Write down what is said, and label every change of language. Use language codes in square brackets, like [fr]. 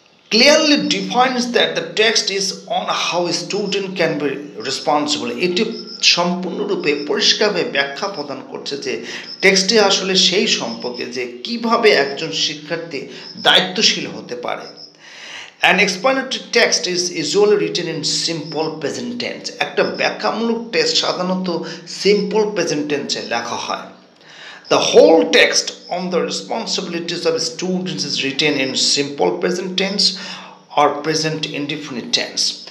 [en] clearly defines that the text is on how student can be responsible, [bn] এটি সম্পূর্ণরূপে পরিষ্কারভাবে ব্যাখ্যা প্রদান করছে যে টেক্সটটি আসলে সেই সম্পর্কে যে কীভাবে একজন শিক্ষার্থী দায়িত্বশীল হতে পারে। [en] An explanatory text is usually written in simple present tense. [bn] একটা ব্যাখ্যামূলক টেক্সট সাধারণত simple present tense লেখা হয়। [en] The whole text on the responsibilities of students is written in simple present tense or present indefinite tense.